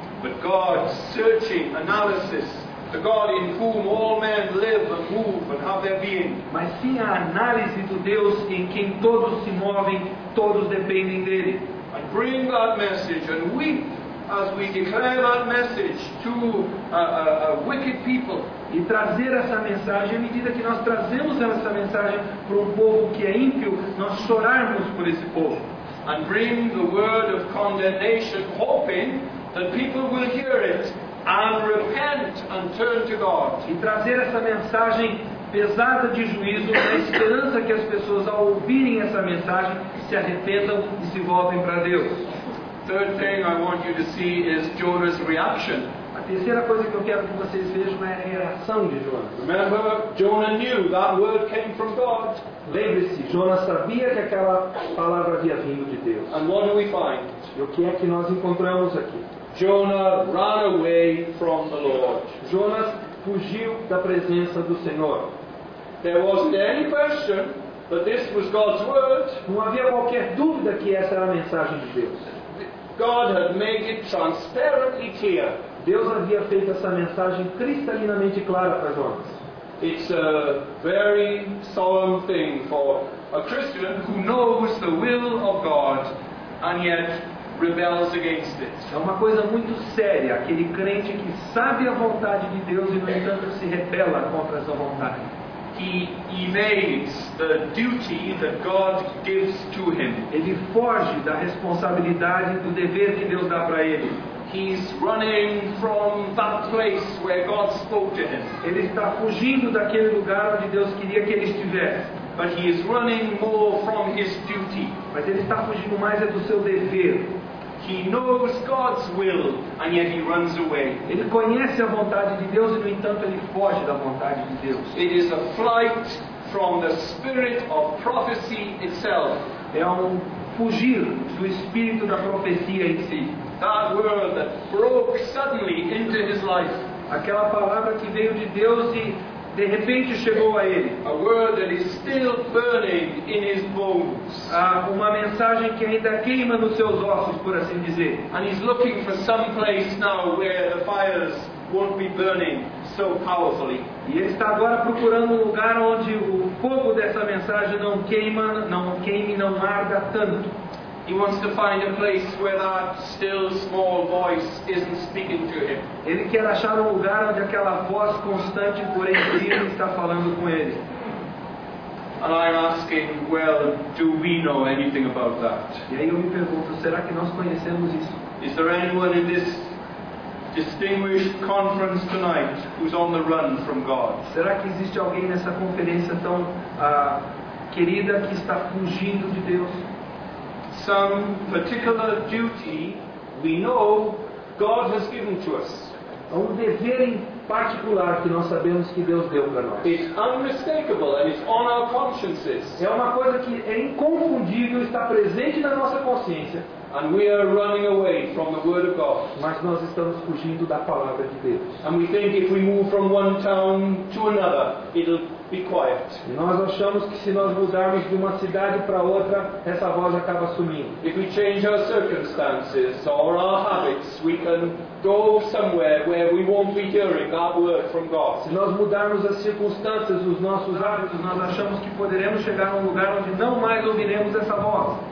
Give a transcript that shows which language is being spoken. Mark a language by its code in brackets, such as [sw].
[en] But God's searching analysis, the God in whom all men live and move and have their being. [pt] Mas sim a análise do Deus em quem todos se movem, todos dependem dele. [en] And bring that message and weep as we declare that message to a wicked people. [pt] E trazer essa mensagem, à medida que nós trazemos essa mensagem para um povo que é ímpio, nós chorarmos por esse povo. [en] And bring the word of condemnation, hoping that people will hear it and repent and turn to God. [pt] E trazer essa mensagem pesada de juízo, na esperança que as pessoas, ao ouvirem essa mensagem, se arrependam e se voltem para Deus. [en] Third thing I want you to see is Jonah's reaction. [pt] A terceira coisa que eu quero que vocês vejam é a reação de Jonas. [en] Remember, Jonah knew that word came from God. [pt] Lembre-se, Jonas sabia que aquela palavra havia vindo de Deus. [en] And what do we find? [pt] E o que é que nós encontramos aqui? [en] Jonah ran away from the Lord. [pt] Jonas fugiu da presença do Senhor. [en] There wasn't any question that this was God's word. [pt] Não havia qualquer dúvida que essa era a mensagem de Deus. [en] God had made it transparently clear. [pt] Deus havia feito essa mensagem cristalinamente clara para Jonas. [en] It's a very solemn thing for a Christian who knows the will of God and yet rebels against it. [pt] É uma coisa muito séria, aquele crente que sabe a vontade de Deus e no entanto se rebela contra essa vontade. [en] He evades the duty that God gives to him. [pt] Ele foge da responsabilidade do dever que Deus dá para ele. [en] He's running from that place where God spoke to him. [pt] Ele está fugindo daquele lugar onde Deus queria que ele estivesse. [en] But he is running more from his duty. [pt] Mas ele está fugindo mais é do seu dever. [en] He knows God's will, and yet he runs away. [pt] Ele conhece a vontade de Deus e no entanto ele foge da vontade de Deus. [en] It is a flight from the spirit of prophecy itself. [pt] É fugir do espírito da profecia em si. [en] That word that broke suddenly into his life. [pt] Aquela palavra que veio de Deus e de repente chegou a ele. [en] A word that is still burning in his bones. [pt] Uma mensagem que ainda queima nos seus ossos, por assim dizer. [en] And he's looking for some place now where the fires won't be burning so powerfully. [pt] E ele está agora procurando um lugar onde o fogo dessa mensagem não queime, não arda tanto. [en] He wants to find a place where that still small voice isn't speaking to him. [pt] Ele quer achar um lugar onde aquela voz constante, porém firme, está falando com ele. [en] And I'm asking, well, do we know anything about that? [pt] E aí eu me pergunto, será que nós conhecemos isso? [en] Is there anyone in this distinguished conference tonight who's on the run from God? [pt] Será que existe alguém nessa conferência tão querida que está fugindo de Deus? [en] Some particular duty we know God has given to us. [pt] Há um dever em particular que nós sabemos que Deus deu para nós. [en] It's unmistakable and it's on our consciences. [pt] É uma coisa que é inconfundível, está presente na nossa consciência. [en] And we are running away from the word of God. [pt] Mas nós estamos fugindo da palavra de Deus. [en] And we think if we move from one town to another, it'll be quiet. [pt] E nós achamos que se nós mudarmos de uma cidade para outra, essa voz acaba sumindo. [en] If we change our circumstances or our habits, we can go somewhere where we won't be hearing that word from God. [pt] Se nós mudarmos as circunstâncias, os nossos hábitos, nós achamos que poderemos chegar a um lugar onde não mais ouviremos essa voz.